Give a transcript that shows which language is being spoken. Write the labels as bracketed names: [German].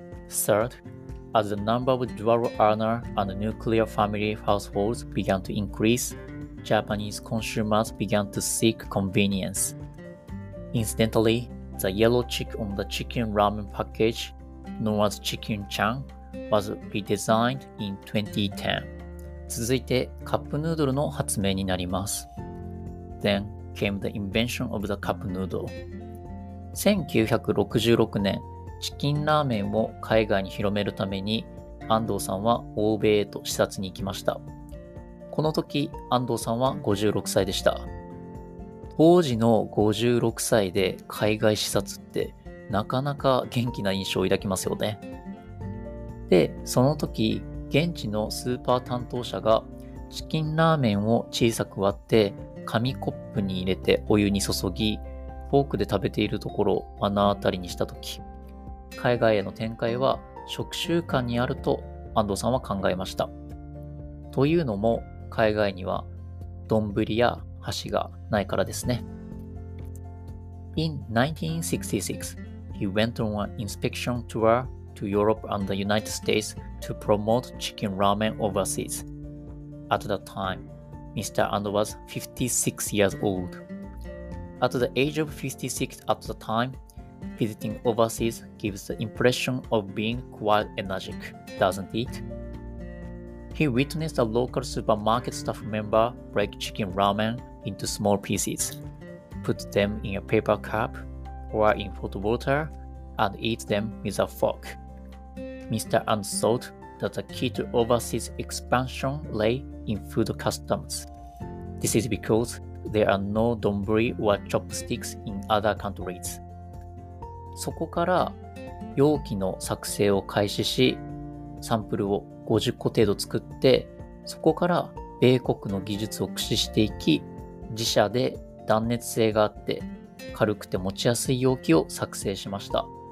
[English] Third, as the number of dual earner and nuclear family households began to increase, Japanese consumers began to seek convenience. Incidentally,The yellow chick on the chicken ramen package, known as Chicken Chan, was redesigned in 2010. [Japanese] 続いてカップヌードルの発明になります。 [English] Then came the invention of the cup noodle. [Japanese] 1966年、チキンラーメンを海外に広めるために、安藤さんは欧米へと視察に行きました。この時、安藤さんは56歳でした。当時の56歳で海外視察って、なかなか元気な印象を抱きますよね。で、その時、現地のスーパー担当者が、チキンラーメンを小さく割って、紙コップに入れてお湯に注ぎ、フォークで食べているところを目の当たりにした時、海外への展開は食習慣にあると安藤さんは考えました。というのも、海外には丼や箸がないからですね。 [English] In 1966, he went on an inspection tour to Europe and the United States to promote chicken ramen overseas. At that time, Mr. And was 56 years old. At the age of 56 at the time,Visiting overseas gives the impression of being quite energetic, doesn't it? He witnessed a local supermarket staff member break chicken ramen into small pieces, put them in a paper cup, pour in hot water, and eat them with a fork. Mr. And thought that the key to overseas expansion lay in food customs. This is because there are no donburi or chopsticks in other countries. [Japanese] そこから容器の作成を開始し、サンプルを50個程度作って、そこから米国の技術を駆使していき、自社で断熱性があって軽くて持ちやすい容器を作成しました。